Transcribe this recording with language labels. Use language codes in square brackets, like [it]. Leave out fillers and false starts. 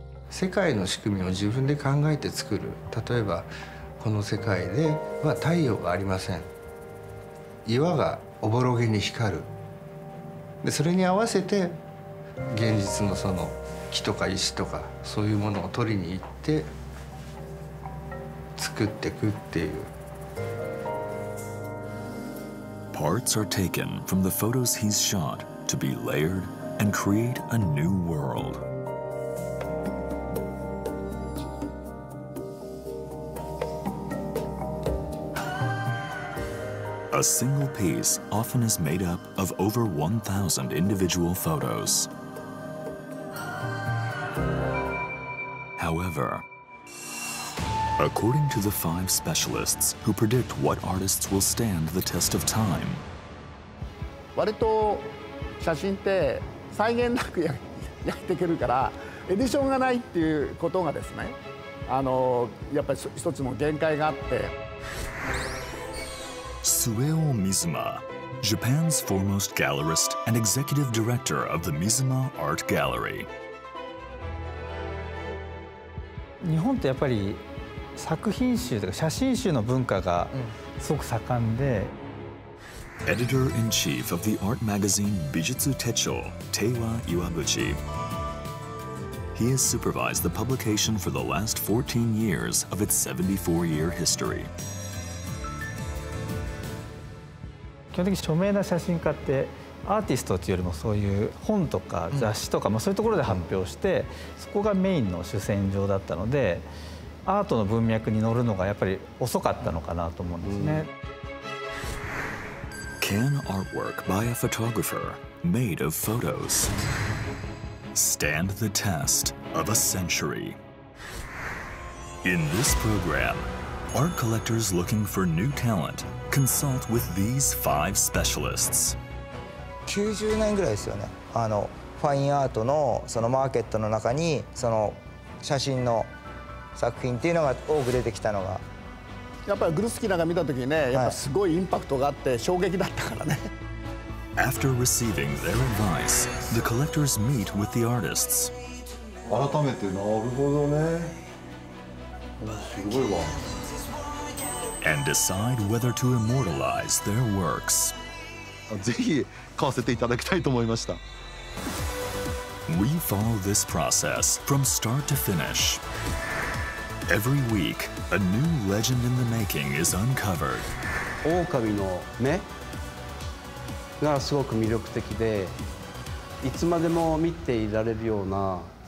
[ja] 世界の仕組みを自分で考えて作る。例えばこの世界では太陽がありません。岩がおぼろげに光る。でそれに合わせて現実のその木とか石とかそういうものを取りに行って作っていくっていう。 [en] Parts are taken from the photos he's shot to be layered and create a new world. A single piece often is made up of over 1,000 individual photos. However, according to the five specialists who predict what artists will stand the test of time. [ja] 割と写真って再現なく焼いていけるから、エディションがないっていうことがですね、やっぱり一つの限界があって。 [en] Sueo Mizuma, Japan's foremost gallerist and executive director of the Mizuma Art Gallery. [ja] 日本ってやっぱり作品集とか写真集の文化がすごく盛んで。 [en] Editor-in-chief of the art magazine 美術手帳 Teiwa Iwabuchi. He has supervised the publication for the last 14 years of its 74-year history. [ja] 基本的に著名な写真家ってアーティストというよりもそういう本とか雑誌とか、まあそういうところで発表して、そこがメインの主戦場だったので。アートの文脈に乗るのがやっぱり遅かったのかなと思うんですね。 [en] Can artwork by a photographer made of photos stand the test of a century? In this program, art collectors looking for new talent consult with these five specialists. [ja] 90年ぐらいですよね。ファインアートのそのマーケットの中にその写真の作品っていうのが多く出てきたのが、やっぱりグルスキーなんか見た時にね、やっぱすごいインパクトがあって衝撃だったからね。 [en] After receiving their advice, the collectors meet with the artists. [ja] 改めて、なるほどね。すごいわ。 [en] And decide whether to immortalize their works. [ja] ぜひ買わせていただきたいと思いました。 [en] We follow this process from start to finish. Every week, a new legend in the making is uncovered. [ja] オオカミの目がすごく魅力的で、いつまでも見ていられるような。